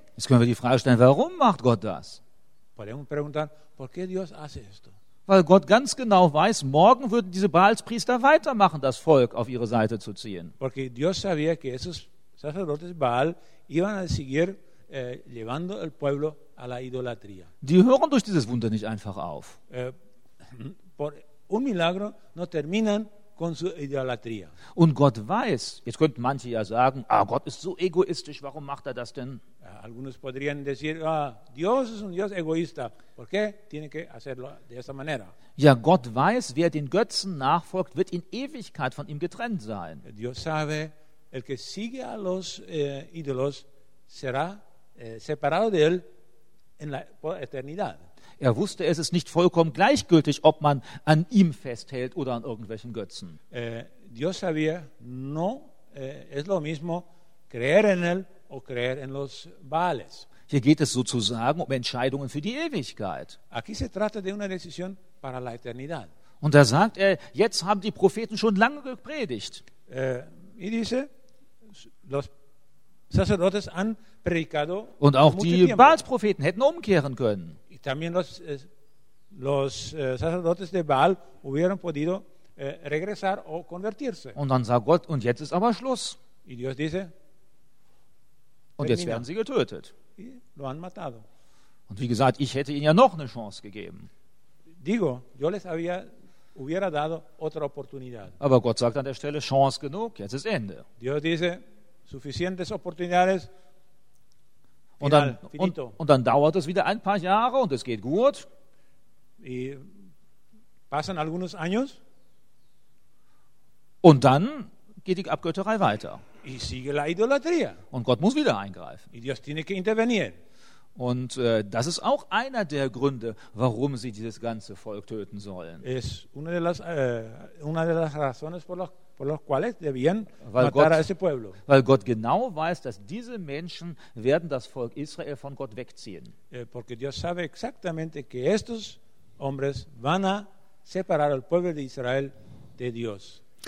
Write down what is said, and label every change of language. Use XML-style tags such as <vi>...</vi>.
<de>Jetzt können wir die Frage stellen, warum macht Gott das?</de> <es>Podemos preguntar, ¿por qué Dios hace esto?</es> <de>Weil Gott ganz genau weiß, morgen würden diese Baalspriester weitermachen, das Volk auf ihre Seite zu ziehen.</de> <es>Porque Dios sabía que esos sacerdotes Baal iban a seguir llevando el pueblo a la idolatría.</es> <de>Die hören durch dieses Wunder nicht einfach auf.</de> <es>Por un milagro no terminan con su idolatría.</es> <de>Und Gott weiß, jetzt könnten manche ja sagen, ah, Gott ist so egoistisch, warum macht er das denn?</de> <es>Algunos podrían decir, ah, Dios es un Dios egoísta. ¿Por qué tiene que hacerlo de esa manera?</es> <de>Ja, Gott weiß, wer den Götzen nachfolgt, wird in Ewigkeit von ihm getrennt sein.</de> <es>Dios sabe, el que sigue a los ídolos será separado de él en la eternidad.</es> <de>Er wusste, es ist nicht vollkommen gleichgültig, ob man an ihm festhält oder an irgendwelchen Götzen.</de> <es>Dios sabía, no es lo mismo creer en él o creer en los Baales.</es> <de>Hier geht es sozusagen um Entscheidungen für die Ewigkeit.</de> <es>Aquí se trata de una decisión para la eternidad.</es> <de>Und da sagt er, jetzt haben die Propheten schon lange gepredigt.</de> <es>Y dice, los sacerdotes han predicado</es> <de>und auch</de> <es>mucho</es> <de>die</de> <es>tiempo.</es> <de>Baalspropheten hätten umkehren können.</de> <es>Y también los sacerdotes de Baal hubieran podido regresar o convertirse.</es> <de>Und dann sagt Gott, und jetzt ist aber Schluss.</de> <es>Y Dios dice,</es> <de>und jetzt werden sie getötet.</de> <es>Lo han matado.</es> <de>Und wie gesagt, ich hätte ihnen ja noch eine Chance gegeben.</de> <es>Digo, yo les había, hubiera dado otra oportunidad.</es> <de>Aber Gott sagt an der Stelle, Chance genug, jetzt ist Ende.</de> <es>Dios dice, suficientes oportunidades, final,</es> <de>und, dann,</de> <es>finito.</es> <de>Und dann dauert es wieder ein paar Jahre und es geht gut.</de> <es>Y pasan algunos años.</es> <de>Und dann geht die Abgötterei weiter.</de> <es>Y sigue la idolatría.</es> <de>Und Gott muss wieder eingreifen.</de> <es>Y Dios tiene que intervenir.</es> <de>Und das ist auch einer der Gründe, warum sie dieses ganze Volk töten sollen.</de> <es>Es una de las razones por los cuales debían matar a ese pueblo.</es> <de>Weil Gott genau weiß, dass diese Menschen werden das Volk Israel von Gott wegziehen.</de> <es>Porque Dios sabe exactamente que estos hombres van a separar al pueblo de Israel de Dios.</es>